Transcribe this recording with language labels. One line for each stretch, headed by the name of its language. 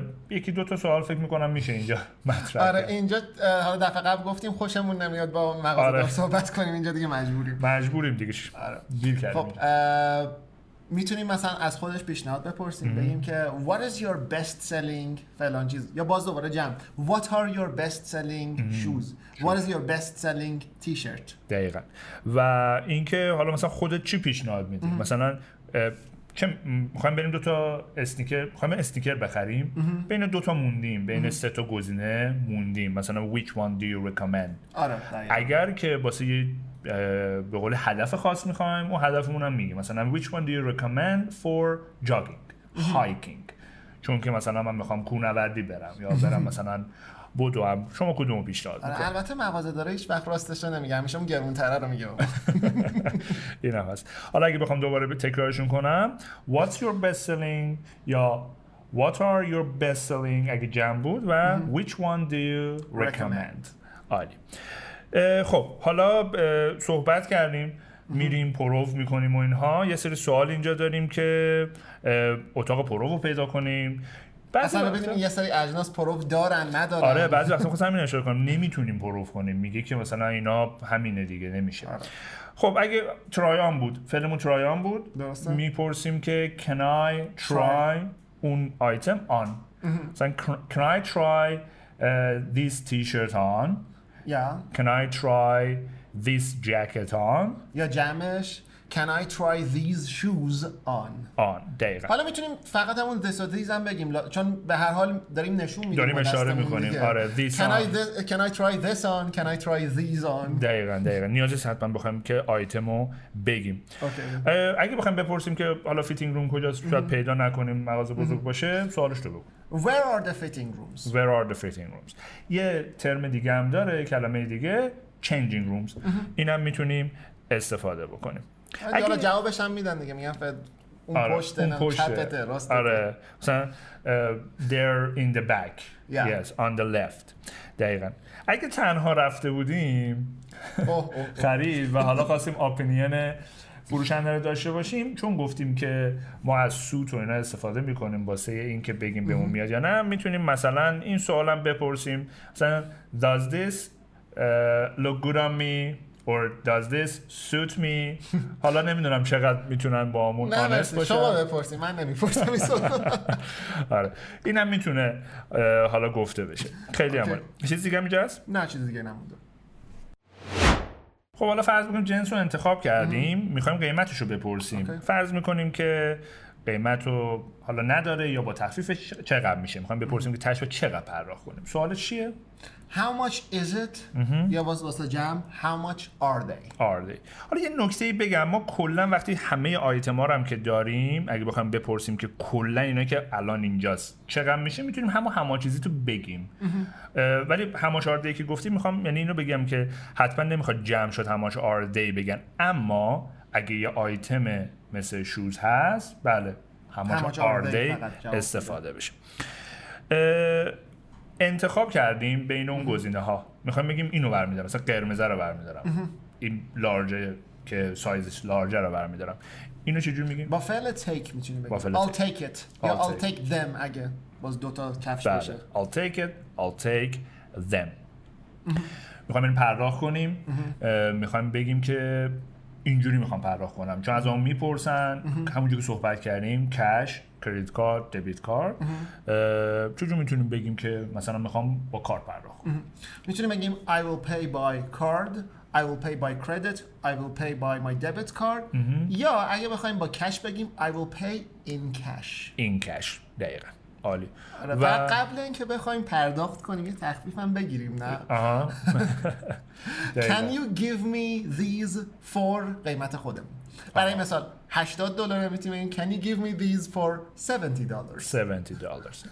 Persian: یکی دو تا سوال فکر میکنم میشه اینجا مطرح. آره اینجا حالا دفعه قبل گفتیم خوشمون نمیاد با مغازه آره. صحبت کنیم، اینجا دیگه مجبوریم دیگه. آره دیل کردیم. خب میتونیم مثلا از خودش پیشنهاد بپرسیم، بگیم که
English: what is your best selling
Persian: فلان چیز، یا باز دوباره جمع
English: what are your best selling shoes، what is your best selling t-shirt.
Persian: دقیقاً. و اینکه حالا مثلا خودت چی پیشنهاد میدی، مثلا که میخوایم بریم دوتا استیکر، میخوایم استیکر بخریم، بین دوتا موندیم، بین سه تا گزینه موندیم، مثلا
English: which one do you recommend.
Persian: آره اگر که واسه یه به قول هدف خاص میخوایم اون هدفمون هم میگیم، مثلا
English: which one do you recommend for jogging hiking،
Persian: چون که مثلا من میخوام کوهنوردی برم یا برم مثلا بودو هم. شما کدومو پیشنهاد می‌کنید؟ البته مغازه داره هیچ وقت راستش رو نمیگم، همیشه اون گرون‌تره رو میگم. این هم هست. حالا اگه بخوام دوباره تکرارشون کنم،
English: What's your best selling
Persian: یا
English: What are your best selling
Persian: اگه جمع بود و
English: Which one do you recommend؟
Persian: عالی. خب حالا صحبت کردیم، میریم پروف میکنیم و اینها، یه سری سوال اینجا داریم که اتاق پروف رو پیدا کنیم. اصلا ببینیم یه سری اجناس پروف دارن ندارن. آره بعضی وقتا خواستم این اشاره کنم، نمیتونیم پروف کنیم، میگه که مثلا اینا همینه دیگه، نمیشه. آره. خب اگه ترایان بود، فعلمون ترایان بود، درسته. میپرسیم که
English: can I try
Persian: اون آیتم
English: on،
Persian: مثلا
English: can I try this t-shirt on، yeah. can I try this jacket on،
Persian: یا جمعش
English: can I try these shoes on.
Persian: آن دقیقا. حالا میتونیم فقط همون
English: this or these
Persian: هم بگیم، چون به هر حال داریم نشون میدیم، داریم اشاره میکنیم. آره this
English: can I can I try this on، can I try these on.
Persian: دقیقا دقیقا. نیازی حتما بخوایم که آیتمو بگیم.
English: okay.
Persian: اگه بخوایم بپرسیم که حالا fitting room کجاست، شاید پیدا نکنیم، مغازه بزرگ باشه، سوالش تو بگو.
English: Where are the fitting rooms؟ Where are the fitting rooms؟
Persian: یه ترم دیگه هم داره، کلمه دیگه
English: changing rooms.
Persian: اینم میتونیم استفاده بکنیم. اگه جوابش هم میدن دیگه، میگن اون آره، پشت نه، چپته، راسته. آره.
English: مثلا they're in the back. Yeah. Yes, on the left.
Persian: دقیقاً. اگه تنها رفته بودیم خرید و حالا خواستیم اپینین فروشنده رو داشته باشیم، چون گفتیم که ما از سوت و اینا استفاده میکنیم واسه اینکه بگیم بهمون میاد یا نه، میتونیم مثلا این سوال هم بپرسیم، مثلا
English: does this look good on me or does this suit me.
Persian: حالا نمیدونم چقدر میتونن با همون آنست باشن. شما بپرسیم، من نمیپرسم این سوال. این هم میتونه حالا گفته بشه. خیلی هم باره. چیز دیگه میجه هست؟ نه چیز دیگه نمونده. خب حالا فرض میکنیم جنس رو انتخاب کردیم، میخوایم قیمتش رو بپرسیم. اوکی. فرض میکنیم که قیمت رو حالا نداره یا با تخفیفش چقدر میشه، میخوایم بپرسیم که تش رو چقدر پرداخت کنیم. سوال چیه؟
English: How much is it؟
Persian: یا باز واسه جمع
English: How much are they؟ Are they.
Persian: حالا یه نکته بگم، ما کلا وقتی همه آیتما رو هم که داریم، اگه بخوایم بپرسیم که کلا اینا که الان اینجاست چقدر میشه، میتونیم همه چیزی تو بگیم. ولی
English: How much are they
Persian: که گفتیم، میخوام یعنی اینو بگم که حتما نمیخواد جمع شد How much are they بگن، اما اگه یه آیتم مثل شوز هست، بله How much are they استفاده بشه. انتخاب کردیم بین اون گزینه‌ها، می‌خوام بگیم اینو برمی‌دارم، مثلا قرمز رو برمی‌دارم، این لارج که سایزش لارج رو برمی‌دارم، اینو چجوری می‌گیم؟ با فعل
English: take
Persian: می‌تونیم بگیم
English: I'll take it یا I'll take them.
Persian: اگه باز دوتا کفش بله. بشه
English: I'll take it، I'll take them.
Persian: می‌خوام این پرداخت کنیم، می‌خوام بگیم که اینجوری می‌خوام پرداخت کنم، چون از اون می‌پرسن همونجوری که صحبت کردیم، کش، کریدیت کارت، دبیت کارت، چجوری میتونیم بگیم که مثلا میخوام با کارت پرداخت کنم؟ میتونیم بگیم
English: I will pay by card، I will pay by credit، I will pay by my debit card.
Persian: یا اگه بخوایم با کش بگیم
English: I will pay in cash. In cash،
Persian: دقیقا، عالی. و قبل اینکه بخوایم پرداخت کنیم یه تخفیف هم بگیریم، نه؟
English: Can you give me these for
Persian: قیمت خودم؟ برای مثال $80 میتونیم بگیم
English: Can you give me these for $70